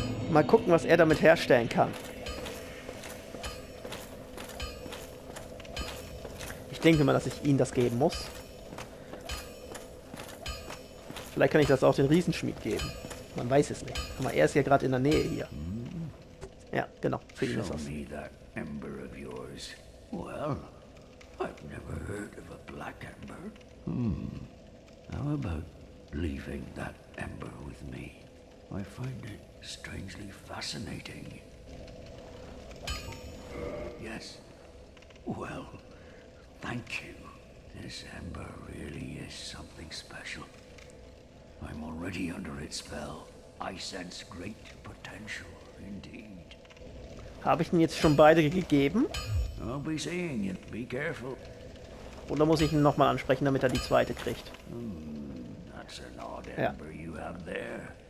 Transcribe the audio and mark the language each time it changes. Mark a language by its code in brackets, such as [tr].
[de] Mal gucken, was er damit herstellen kann. Ich denke mal, dass ich ihm das geben muss. Vielleicht kann ich das auch den Riesenschmied geben. Man weiß es nicht. Aber er ist ja gerade in der Nähe hier. Ja, genau. Für ihn ist das. [en] Show me that ember of yours. Well, I've never heard of a black ember. How about leaving that ember with me? I find it strangely fascinating. Yes. Well, thank you. This ember really is something special. I'm already under its spell. I sense great potential indeed. [de] Habe ich ihn jetzt schon beide gegeben? [en] I'll be seeing you. Be careful. [de] Oder muss ich ihn nochmal ansprechen, damit er die zweite kriegt? [en] That's an odd ember you have there.